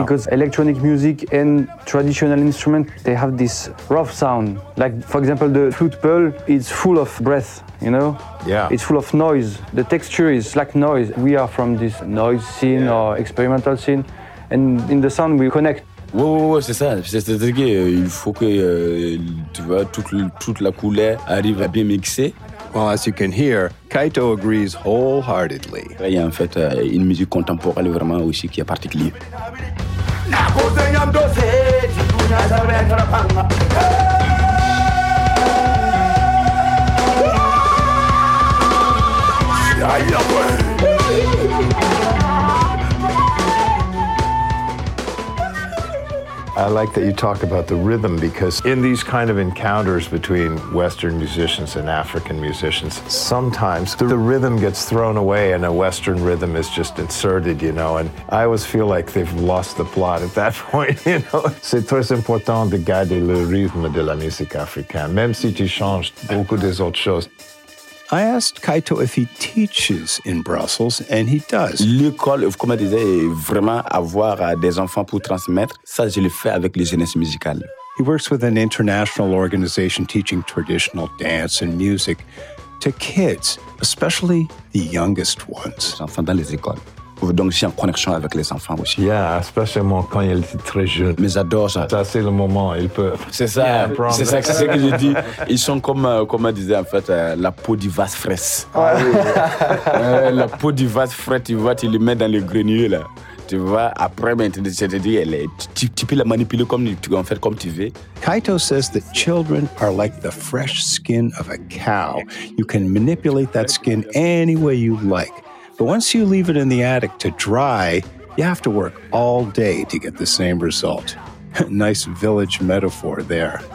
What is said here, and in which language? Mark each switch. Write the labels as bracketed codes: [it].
[en] Because electronic music and traditional instruments, they have this rough sound. Like, for example, the flute pearl, it's full of breath, you know? Yeah. It's full of noise. The texture is like noise. We are from this noise scene or experimental scene. And in the sound, we connect. [fr] Ouais, c'est ça. C'est-à-dire qu'il faut que tu vois, toute la couleur arrive à bien mixer. [en] Well, as you can hear, Kaito agrees wholeheartedly. [fr] Il y a en fait une musique contemporaine vraiment aussi qui est particulière. [en] I like that you talk about the rhythm, because in these kind of encounters between Western musicians and African musicians, sometimes the rhythm gets thrown away and a Western rhythm is just inserted, you know, and I always feel like they've lost the plot at that point, you know. [fr] C'est très important de garder le rythme de la musique africaine, même si tu changes beaucoup des autres choses. [en] I asked Kaito if he teaches in Brussels, and he does. [fr] L'école, comme je disais, vraiment avoir des enfants pour transmettre, ça je le fais avec les jeunesses musicales. [en] He works with an international organization teaching traditional dance and music to kids, especially the youngest ones. [fr] Les enfants dans les écoles. Donc, j'ai une connexion avec les enfants aussi. Yeah, spécialement quand ils sont très jeunes. Mais j'adore ça. Ça, c'est le moment, ils peuvent. C'est ça, yeah, c'est ça que, c'est que je dis. Ils sont comme, comme on disait en fait, la peau du vase fraise. La peau du vase fraise, tu vois, tu le mets dans le grenier là. Tu vois, après maintenant, c'est-à-dire, elle est, tu peux la manipuler comme tu veux, en fait, comme tu veux. [en] Kaito says that children are like the fresh skin of a cow. You can manipulate that skin any way you like. But once you leave it in the attic to dry, you have to work all day to get the same result. Nice village metaphor there.